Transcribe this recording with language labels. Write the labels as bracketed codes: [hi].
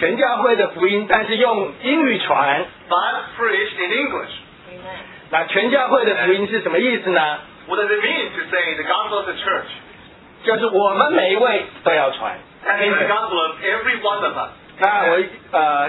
[zh] 全教会的福音, 但是用英语传, [en] but preached in English. Amen. [zh] 那全教会的福音是什么意思呢? [en] What does it mean to say the gospel of the church? [zh] 就是我们每一位都要传. [en] That means the gospel of every one of us.